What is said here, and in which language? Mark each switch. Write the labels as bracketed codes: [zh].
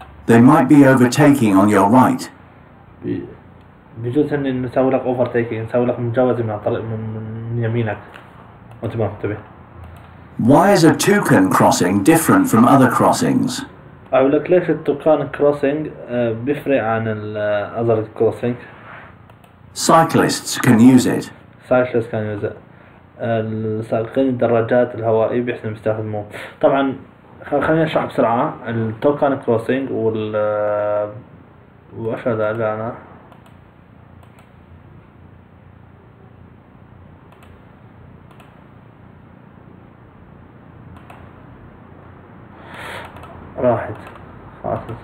[en] They might be overtaking on your right. [ar] بجوز هن نسوي لك overtaking، نسوي لك مجاوزة من الطريق من يمينك. وانت ما منتبه. [en] Why is a toucan crossing different from other crossings? [ar] أقول لك ليش التوكان كروسينج بيفرق عن ال [en] other crossing. Cyclists can use it. Cyclists can use it. [ar] السائقين الدراجات الهوائية بيحسن بيستخدموه. طبعا خلينا نشرح بسرعة التوكان كروسينج وال وش هذا اللي أنا راحت خلاص.